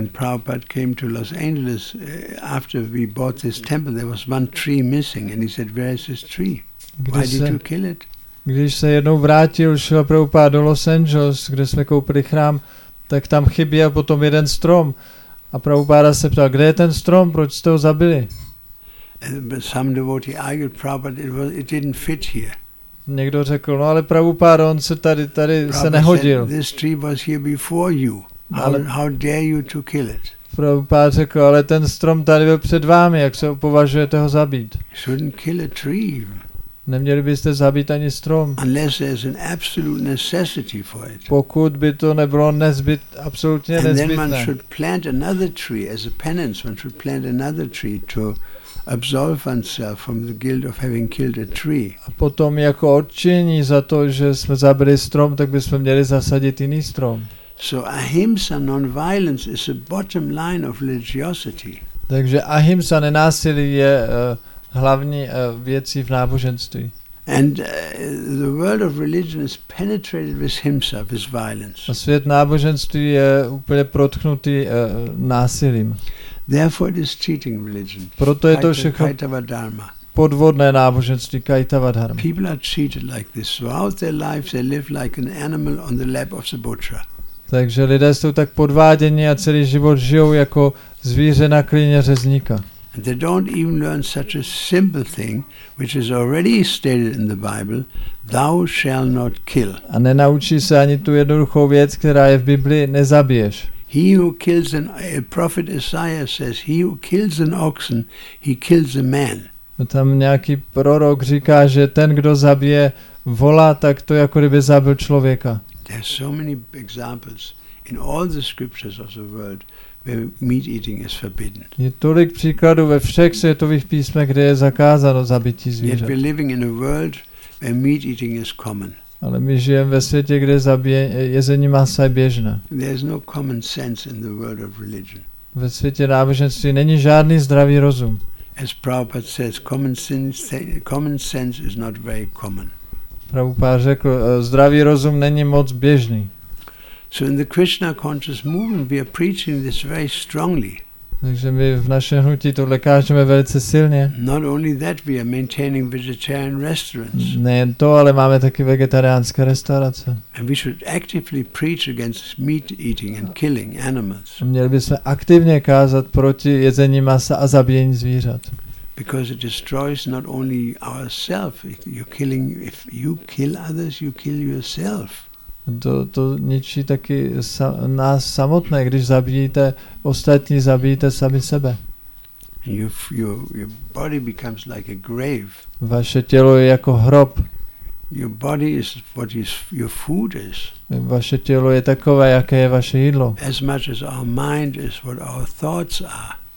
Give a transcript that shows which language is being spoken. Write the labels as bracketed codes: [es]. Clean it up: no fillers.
[en] When Prabhupada came to Los Angeles after we bought this temple, there was one tree missing, and he said, "Where is this tree? Why did you kill it?" [cs] Když se jednou vrátil Šila Prabhupada do Los Angeles, kde jsme koupili chrám, tak tam chyběl potom jeden strom. A Prabhupada se ptal, kde je ten strom, proč jste ho zabili? [en] Some devotee argued, Prabhupada, it didn't fit here. [cs] Někdo řekl, no ale Prabhupada, on se tady Prabhupada se nehodil. [en] Said, this tree was here before you. How dare you to kill it? [cs] Prabhupada řekl, ale ten strom tady byl před vámi, jak se považujete ho zabít? [en] You shouldn't kill a tree. [cs] Neměli byste zabít ani strom. [en] Unless there's an absolute necessity for it. [cs] Pokud by to nebylo absolutně nezbytné. [en] And then one should plant another tree as a penance. One should plant another tree to absolve oneself from the guilt of having killed a tree. [cs] A potom jako odčinění za to, že jsme zabili strom, tak bychom měli zasadit jiný strom. [en] So ahimsa, non-violence is the bottom line of religiosity. [cs] Takže ahimsa, nenásilí je hlavní věcí v náboženství. [en] And the world of religion is penetrated with himsa, with violence. [cs] A svět náboženství je úplně protknutý násilím. [en] Therefore it is cheating religion. [cs] Proto je to všechno podvodné náboženství, Kaitava dharma. [en] People are cheated like this. Throughout their lives they live like an animal on the lap of the butcher. [cs] Takže lidé jsou tak podváděni a celý život žijou jako zvíře na klíně řezníka. [en] And they don't even learn such a simple thing, which is already stated in the Bible, thou shall not kill. [cs] A nenaučí se ani tu jednoduchou věc, která je v Biblii, nezabiješ. [en] He who kills a prophet Isaiah says, he who kills an oxen, he kills a man. [cs] No tam nějaký prorok říká, že ten, kdo zabije vola, tak to jako kdyby zabil člověka. [en] There are so many examples in all the scriptures of the world where meat eating is forbidden. [cs] Je tolik příkladů ve všech světových písmech, kde je zakázáno zabití zvířat. [en] Yet we're living in a world where meat eating is common. [cs] Ale my žijeme ve světě, kde jezení masa je běžné. [en] There is no common sense in the world of religion. [cs] Ve světě náboženství není žádný zdravý rozum. [en] As Prabhupada says, common sense is not very common. [cs] Prabhupada řekl, zdravý rozum není moc běžný. [en] So in the Krishna conscious movement we are preaching this very strongly. [cs] Takže my v našem hnutí tohle kážeme velice silně. [en] Not only that, we are maintaining vegetarian restaurants. [cs] Nejen to, ale máme taky vegetariánské restaurace. [en] And we should actively preach against meat eating and killing animals. [cs] Měli bychom aktivně kázat proti jezení masa a zabíjení zvířat. [en] Because it destroys not only ourselves, if you kill others, you kill yourself. [cs] To ničí taky nás samotné, když zabijete ostatní, zabijete sami sebe. [en] Your body becomes like a grave. [cs] Vaše tělo je jako hrob. [en] Your body is what is your food is. [cs] Vaše tělo je takové, jaké je vaše jídlo. [en] As much as our mind is what our thoughts are.